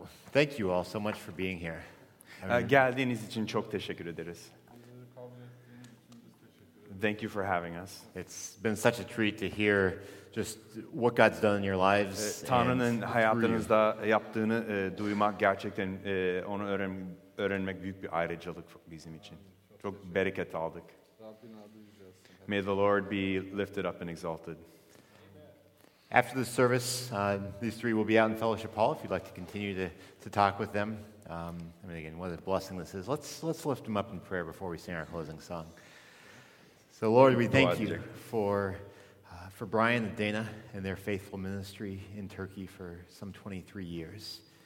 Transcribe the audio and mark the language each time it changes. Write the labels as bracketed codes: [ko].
[en] Thank you all so much for being here. [tr] Geldiğiniz için çok teşekkür ederiz. [en] Thank you for having us. It's been such a treat to hear just what God's done in your lives. [tr] Tanrı'nın hayatınızda yaptığını duymak gerçekten onu öğrenmek büyük bir ayrıcalık bizim için. Çok bereket aldık. [en] May the Lord be lifted up and exalted. After the service, these three will be out in Fellowship Hall. If you'd like to continue to talk with them, again, what a blessing this is. Let's lift them up in prayer before we sing our closing song. So, Lord, we thank you for Brian and Dana and their faithful ministry in Turkey for some 23 years.